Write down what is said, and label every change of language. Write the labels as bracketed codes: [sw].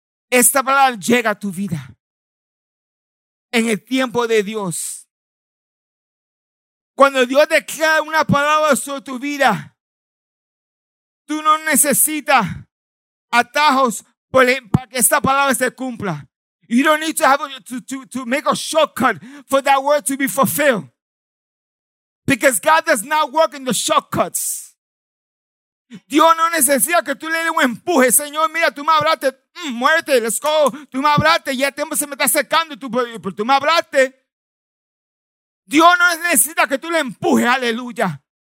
[es] Esta palabra llega a tu vida. En el tiempo de Dios. Cuando Dios declara una palabra sobre tu vida, tú no necesitas atajos para que esta palabra se cumpla. [en] You don't need to have to make a shortcut for that word to be fulfilled. Because God does not work in the shortcuts. [es] Dios no necesita que tú le des un empuje. Señor, mira, tú me hablaste. Muerte, [en] let's go. [es] Tú me hablaste. Ya el tiempo se me está acercando. Tú me hablaste. Dios no necesita que tú le empujes. Aleluya.